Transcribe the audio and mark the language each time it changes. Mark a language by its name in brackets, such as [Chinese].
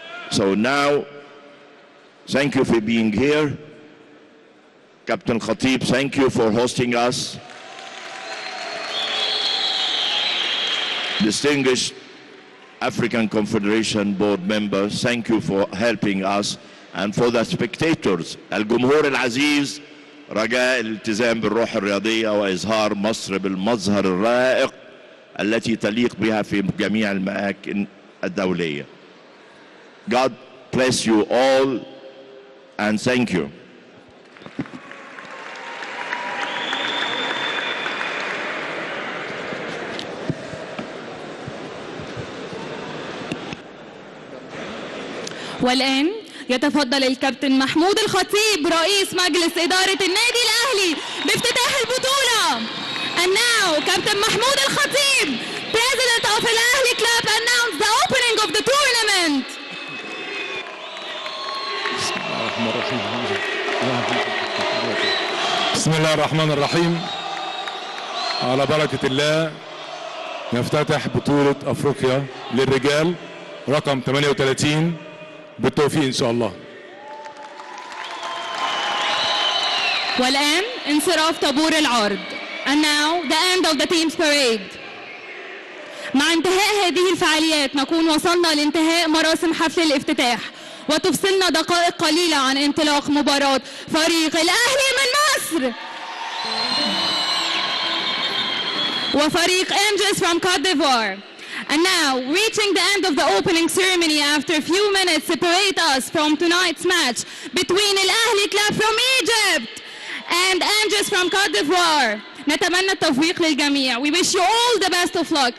[English] So now, thank you for being here. Captain Khatib, thank you for hosting us. Distinguished African Confederation board members, thank you for helping us. And for the spectators, [Arabic] Al-Gumhur Al-Aziz, رجاء الالتزام بالروح الرياضية وإظهار مصر بالمظهر الرائق التي تليق بها في جميع المآكن الدولية. [English] God bless you all and thank you. [Arabic] والآن يتفضل الكابتن محمود الخطيب رئيس مجلس إدارة النادي الأهلي بافتتاح البطولة. [English] And now, Captain Mahmoud Al-Khatib, President of Al Ahli Club, announced the opening of the tournament. [Arabic] بسم الله الرحمن الرحيم. على بركة الله نفتتح بطولة أفريقيا للرجال رقم 38 بالتوفيق إن شاء الله. والآن انصراف طابور العرض. [English] And now the end of the team's parade. [Arabic] مع انتهاء هذه الفعاليات نكون وصلنا لانتهاء مراسم حفل الافتتاح وتفصلنا دقائق قليلة عن انطلاق مباراة فريق الأهلي من مصر وفريق Angels from Cote d'Ivoire. [English] And now, reaching the end of the opening ceremony after a few minutes separate us from tonight's match between Al Ahli Club from Egypt and Angels from Cote d'Ivoire. [Arabic] نتمنى التوفيق للجميع. [English] We wish you all the best of luck.